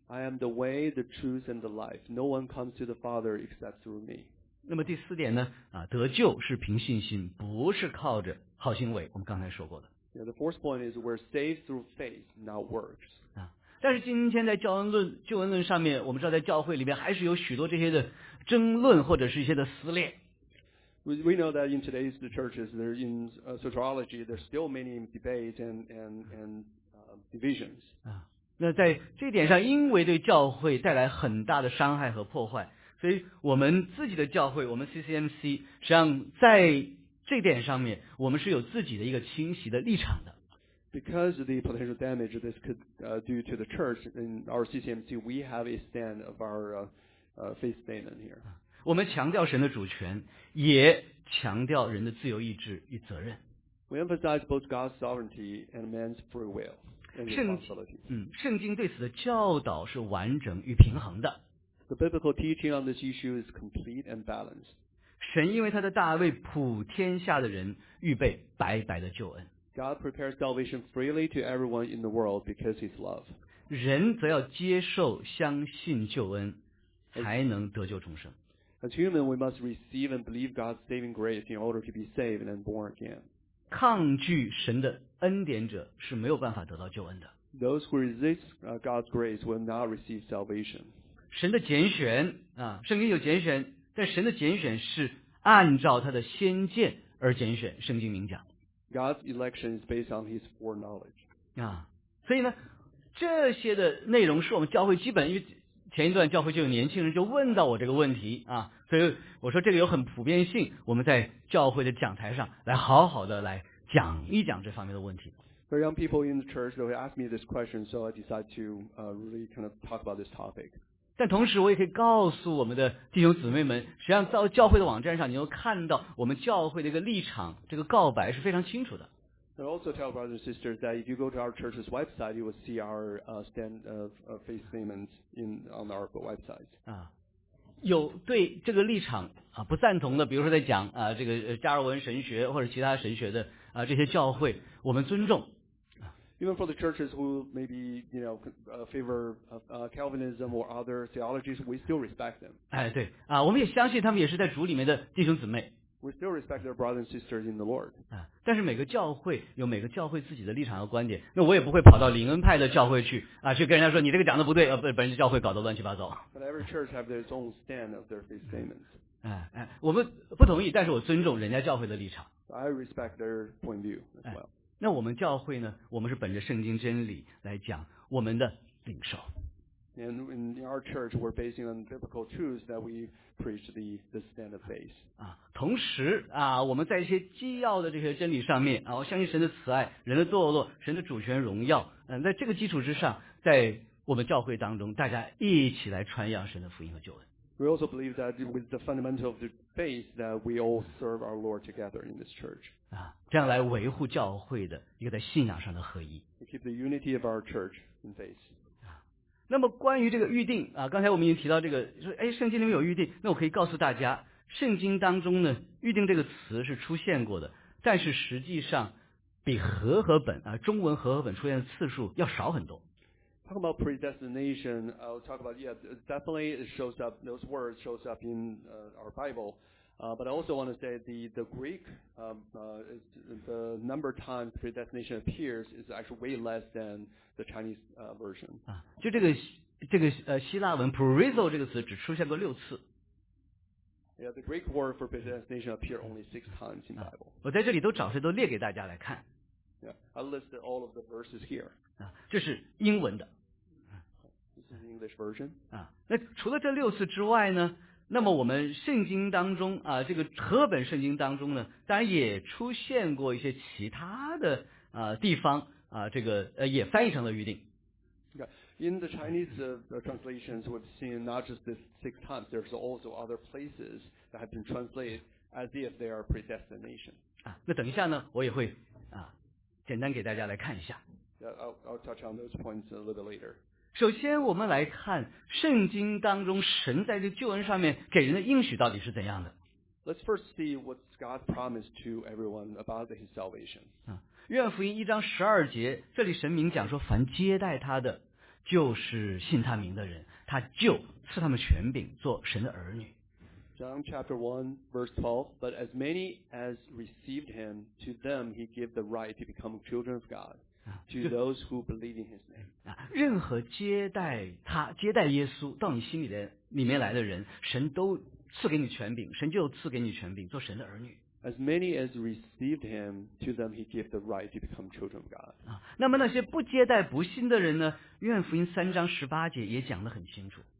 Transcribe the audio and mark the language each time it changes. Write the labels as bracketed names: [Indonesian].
[English] I am the way, the truth, and the life. No one comes to the Father except through me. [Chinese] 那么第四点呢？得救是凭信心，不是靠着好行为。我们刚才说过的。 [English] Yeah, the fourth point is we're saved through faith, not works. [Chinese] 但是今天在教恩论、救恩论上面，我们知道在教会里面还是有许多这些的争论或者是一些的撕裂。 [English] We know that in today's churches, there in sociology, there's still many debates and divisions. [Chinese] 那在这点上，因为对教会带来很大的伤害和破坏，所以我们自己的教会，我们 CCMC 实际上在这点上面，我们是有自己的一个清晰的立场的。 [English] Because of the potential damage this could do to the church in our CCMC, we have a stand of our faith statement here. [Chinese] 我们强调神的主权，也强调人的自由意志与责任。 [English] We emphasize both God's sovereignty and man's free will. [Chinese] 圣经对此的教导是完整与平衡的。 [English] The biblical teaching on this issue is complete and balanced. [Chinese] 神因为他的大爱为普天下的人预备白白的救恩。 [English] God prepares salvation freely to everyone in the world because his love. [Chinese] 人则要接受相信救恩才能得救重生。 [English] As human, we must receive and believe God's saving grace in order to be saved and born again. [Chinese] 抗拒神的恩典者是没有办法得到救恩的。 [English] Those who resist God's grace will not receive salvation. [Chinese] 神的拣选圣经有拣选，但神的拣选是按照他的先见而拣选，圣经明讲。 [English] God's election is based on his foreknowledge. [Chinese] 所以呢，这些的内容是我们教会基本，因为前一段教会就有年轻人就问到我这个问题所以我说这个有很普遍性，我们在教会的讲台上来好好的来讲一讲这方面的问题。 [English] So young people in the church, they ask me this question, so I decide to really kind of talk about this topic. [Chinese] 但同时我也可以告诉我们的弟兄姊妹们，实际上到教会的网站上你又看到我们教会的一个立场，这个告白是非常清楚的。 [English] I also tell brothers and sisters that if you go to our church's website, you will see our stand of faith statements on our website. [Chinese] 有对这个立场不赞同的，比如说在讲这个加尔文神学或者其他神学的这些教会，我们尊重。 [English] Even for the churches who maybe favor Calvinism or other theologies, we still respect them. [Chinese] 对我们也相信他们也是在主里面的弟兄姊妹。 [English] We still respect their brothers and sisters in the Lord. [Chinese] 但是每个教会有每个教会自己的立场和观点，那我也不会跑到灵恩派的教会去去跟人家说你这个讲的不对不是，本人教会搞得乱七八糟。 [English] But every church have their own stand of their faith statements. [Chinese] 我们不同意，但是我尊重人家教会的立场。 [English] I respect their point of view as well. [Chinese] 那我们教会呢，我们是本着圣经真理来讲我们的领受。 [English] And in our church, we're basing on biblical truths that we preach the stand of faith. [Chinese] 同时我们在一些基要的这些真理上面我相信神的慈爱、人的堕落、神的主权荣耀。在这个基础之上，在我们教会当中，大家一起来传扬神的福音和救恩。 [English] We also believe that with the fundamental of the faith that we all serve our Lord together in this church. [Chinese] 这样来维护教会的一个在信仰上的合一。 [English] To keep the unity of our church in faith. [Chinese] 那么关于这个预定刚才我们已经提到这个说圣经里面有预定，那我可以告诉大家，圣经当中呢预定这个词是出现过的，但是实际上比和合本中文和合本出现的次数要少很多。 [English] Talk about predestination, I'll talk about, yeah, definitely it shows up, those words shows up in our Bible, but I also want to say the Greek, the number of times predestination appears is actually way less thanThe Chinese version. [Chinese] 就这个希腊文 proriso 这个词只出现过六次。 [English] Yeah, the Greek word for predestination appeared only six times in the Bible. [Chinese] 我在这里都找出来都列给大家来看。 [English] Yeah, I listed all of the verses here. [Chinese] 这是英文的。 [English] It's This is the English version. [Chinese] 啊，那除了这六次之外呢？那么我们圣经当中啊，这个和本圣经当中呢，当然也出现过一些其他的啊地方啊，这个也翻译成了预定。 [English] In the Chinese translations, we've seen not just this six times. There's also other places that have been translated as if they are predestination. [Chinese] 啊，那等一下呢，我也会啊，简单给大家来看一下。 [English] I'll touch on those points a little bit later. [Chinese] 首先，我们来看圣经当中神在这救恩上面给人的应许到底是怎样的。 [English] Let's first see what God promised to everyone about his salvation. [Chinese] 啊，约翰福音一章十二节，这里神明讲说，凡接待他的。就是信他名的人，他就赐他们权柄做神的儿女。 [English] John chapter 1 verse 12, but as many as received him, to them he gave the right to become children of God, to those who believe in his name. [Chinese] 任何接待他、接待耶稣到你心里的里面来的人，神都赐给你权柄，神就赐给你权柄做神的儿女。 [English] As many as received him, to them he gave the right to become children of God. [Chinese] 啊，那么那些不接待不信的人呢？约翰福音三章十八节也讲得很清楚。